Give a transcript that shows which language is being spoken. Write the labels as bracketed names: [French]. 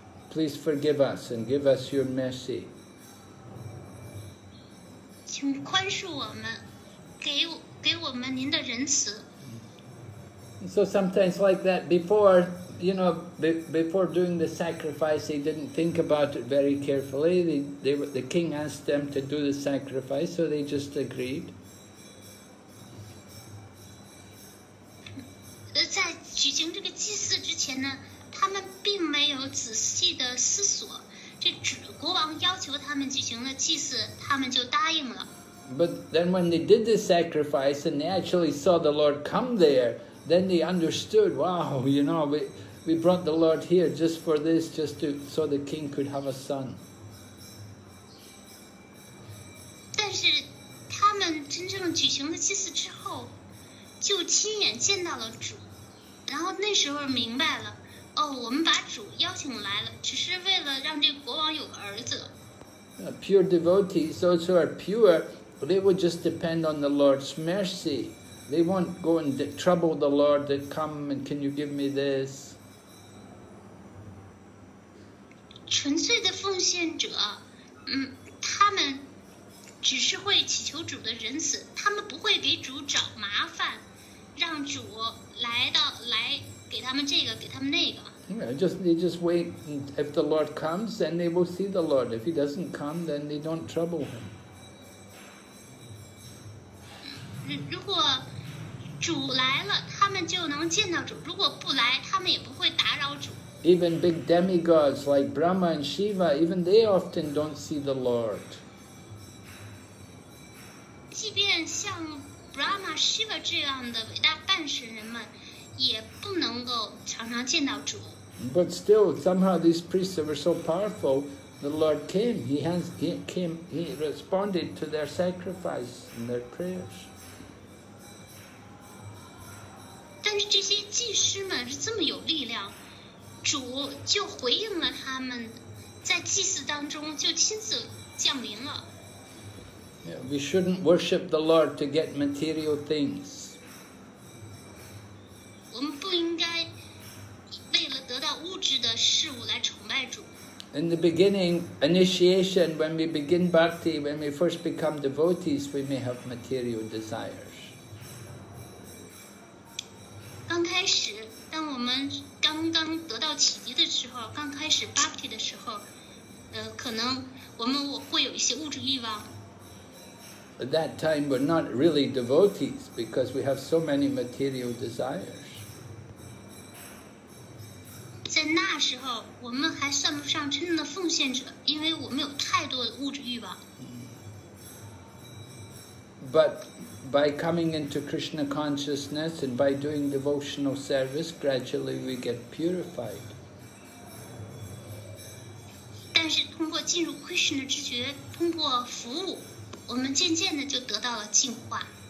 [English] Please forgive us and give us your mercy. [Chinese] 请宽恕我们，给我们您的仁慈。 [English] So sometimes like that, before, you know, before doing the sacrifice, they didn't think about it very carefully. The king asked them to do the sacrifice, so they just agreed. [Chinese] 在举行这个祭祀之前呢，他们并没有仔细的思索。这国王要求他们举行了祭祀，他们就答应了。 [English] But then when they did the sacrifice and they actually saw the Lord come there, then they understood, wow, you know, we brought the Lord here just for this, just to, so the king could have a son. [Chinese] 但是他们真正举行了祭祀之后，就亲眼见到了主，然后那时候明白了，哦，我们把主邀请来了，只是为了让这个国王有个儿子。 [English] Pure devotees, those who are pure,But they would just depend on the Lord's mercy. They won't go and trouble the Lord that come and can you give me this? [Chinese] 纯粹的奉献者，他们只是会祈求主的仁慈，他们不会给主找麻烦，让主来给他们这个，给他们那个。 [English] Yeah, they just wait. And if the Lord comes, then they will see the Lord. If he doesn't come, then they don't trouble him. [Chinese] 如果主来了，他们就能见到主；如果不来，他们也不会打扰主。 [English] Even big demigods like Brahma and Shiva, even they often don't see the Lord. [Chinese] 即便像 Brahma、Shiva 这样的伟大半神人们，也不能够常常见到主。 [English] But still, somehow these priests were so powerful. The Lord came. He responded to their sacrifice and their prayers. [Chinese] 但是这些祭师们是这么有力量，主就回应了他们，在祭祀当中就亲自降临了。 [English] Yeah, we shouldn't worship the Lord to get material things. [Chinese] 我们不应该为了得到物质的事物来崇拜主。 [English] In the beginning, initiation, when we begin bhakti, when we first become devotees, we may have material desires. [Chinese] 刚开始，当我们刚刚得到启迪的时候，刚开始 bhakti 的时候，可能我会有一些物质欲望。 [English] At that time, we're not really devotees because we have so many material desires. [Chinese] 在那时候，我们还算不上真正的奉献者，因为我们有太多的物质欲望。 [English] But by coming into Krishna consciousness and by doing devotional service, gradually we get purified. [Chinese] 但是通过进入 Krishna 知觉，通过服务，我们渐渐的就得到了净化。